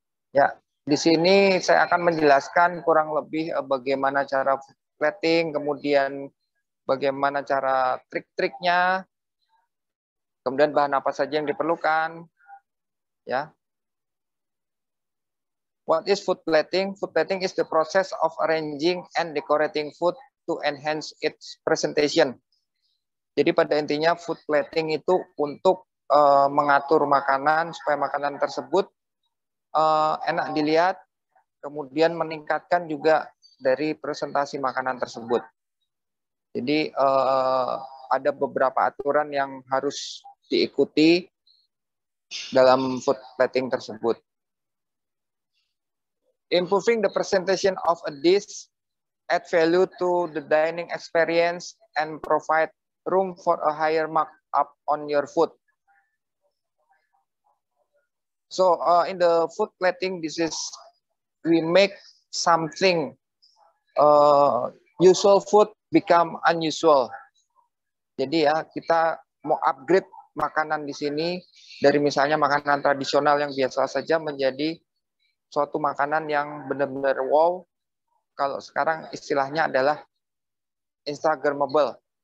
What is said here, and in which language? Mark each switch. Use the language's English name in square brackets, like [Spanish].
[Indonesian] Ya, di sini saya akan menjelaskan kurang lebih bagaimana cara food plating, kemudian bagaimana cara trik-triknya, kemudian bahan apa saja yang diperlukan. Ya. [English] What is food plating? Food plating is the process of arranging and decorating food to enhance its presentation. [Indonesian] Jadi pada intinya food plating itu untuk mengatur makanan supaya makanan tersebut enak dilihat, kemudian meningkatkan juga dari presentasi makanan tersebut. Jadi ada beberapa aturan yang harus diikuti dalam food plating tersebut. [English] Improving the presentation of a dish, add value to the dining experience, and provide room for a higher markup on your food. So in the food plating, this is we make something usual food become unusual. [Indonesian] Jadi ya kita mau upgrade makanan di sini dari misalnya makanan tradisional yang biasa saja menjadi suatu makanan yang benar-benar wow. Kalau sekarang istilahnya adalah Instagramable.